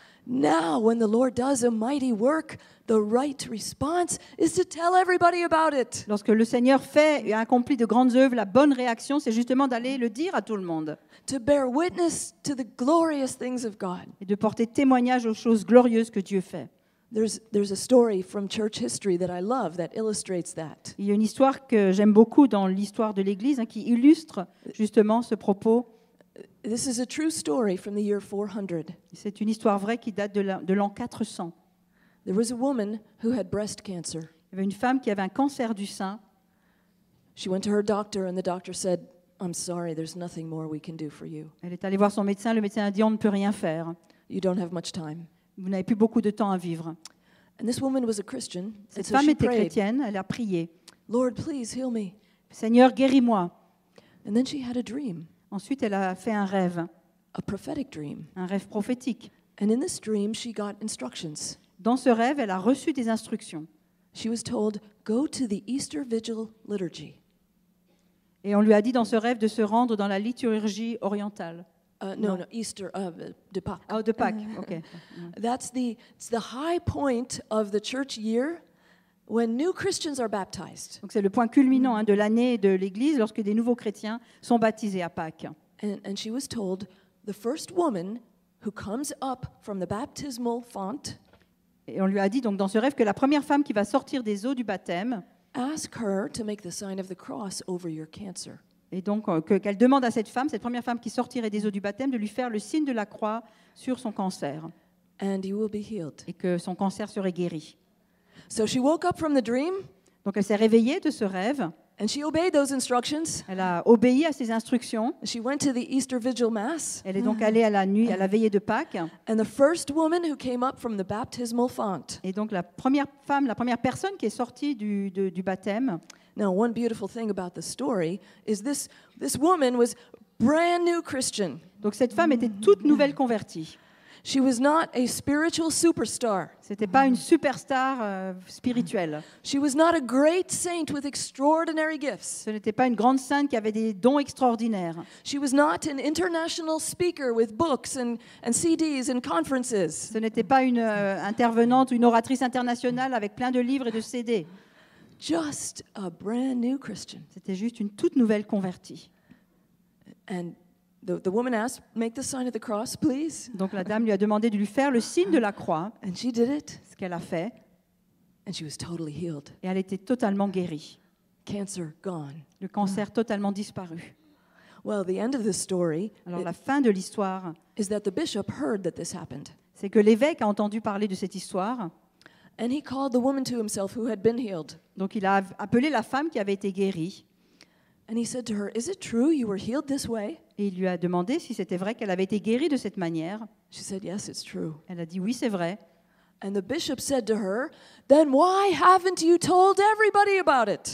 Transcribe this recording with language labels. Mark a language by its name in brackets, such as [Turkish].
[English] Now, when the Lord does a mighty work, the right response is to tell everybody about it. [French] Lorsque le Seigneur fait et accomplit de grandes œuvres, la bonne réaction, c'est justement d'aller le dire à tout le monde. [English] To bear witness to the glorious things of God. [French] Et de porter témoignage aux choses glorieuses que Dieu fait. [English] There's a story from church history that I love that illustrates that. [French] Il y a une histoire que j'aime beaucoup dans l'histoire de l'Église qui illustre justement ce propos. [English] This is a true story from the year 400. [French] C'est une histoire vraie qui date de l'an 400. [English] There was a woman who had breast cancer. [French] Il y avait une femme qui avait un cancer du sein. [English] She went to her doctor and the doctor said, "I'm sorry, there's nothing more we can do for you." [French] Elle est allée voir son médecin, le médecin a dit on ne peut rien faire. [English] You don't have much time. [French] Vous n'avez plus beaucoup de temps à vivre. [English] And this woman was a Christian. [French] Cette femme était chrétienne, elle a prié. [English] "Lord, please heal me." [French] Seigneur, guéris-moi. [English] And then she had a dream. [French] Ensuite, elle a fait un rêve. [English] A prophetic dream. [French] Un rêve prophétique. [English] And in this dream, she got instructions. [French] Dans ce rêve, elle a reçu des instructions. [English] She was told, "Go to the Easter Vigil liturgy." [French] Et on lui a dit dans ce rêve de se rendre dans la liturgie orientale. Easter de Pâques. Oh, de Pâques. Okay. [English] That's the high point of the church year when new Christians are baptized. [French] Donc c'est le point culminant de l'année de l'Église lorsque des nouveaux chrétiens sont baptisés à Pâques. [English] And she was told the first woman who comes up from the baptismal font. [French] Et on lui a dit donc dans ce rêve que la première femme qui va sortir des eaux du baptême. [English] Ask her to make the sign of the cross over your cancer. [French] Et donc qu'elle demande à cette femme, cette première femme qui sortirait des eaux du baptême, de lui faire le signe de la croix sur son cancer. [English] And you will be healed. [French] Et que son cancer serait guéri. [English] So she woke up from the dream. [French] Donc elle s'est réveillée de ce rêve. [English] And she obeyed those instructions. [French] Elle a obéi à ses instructions. [English] She went to the Easter Vigil Mass. [French] Elle est donc allée à la veillée de Pâques. [English] And the first woman who came up from the baptismal font. [French] Et donc la première personne qui est sortie du baptême. [English] Now one beautiful thing about the story is this woman was brand new Christian. [French] Donc cette femme était toute nouvelle convertie. [English] She was not a spiritual superstar. [French] C'était pas une superstar spirituelle. [English] She was not a great saint with extraordinary gifts. [French] Ce n'était pas une grande sainte qui avait des dons extraordinaires. [English] She was not an international speaker with books and CDs and conferences. [French] Ce n'était pas une intervenante ou une oratrice internationale avec plein de livres et de CD. [English] Just a brand new Christian. [French] C'était juste une toute nouvelle convertie. [English] And the woman asked, "Make the sign of the cross, please." [French] Donc la dame lui a demandé de lui faire le signe de la croix. [English] And she did it. [French] Ce qu'elle a fait. [English] And she was totally healed. [French] Et elle était totalement guérie. [English] Cancer gone. [French] Le cancer totalement disparu. [English] Well, the end of the story. [French] Alors la fin de l'histoire. [English] Is that the bishop heard that this happened? [French] C'est que l'évêque a entendu parler de cette histoire. [English] And he called the woman to himself who had been healed. [French] Donc il a appelé la femme qui avait été guérie. [English] And he said to her, "Is it true you were healed this way?" [French] Et il lui a demandé si c'était vrai qu'elle avait été guérie de cette manière. [English] She said, "Yes, it's true." [French] Elle a dit oui, c'est vrai. [English] And the bishop said to her, "Then why haven't you told everybody about it?"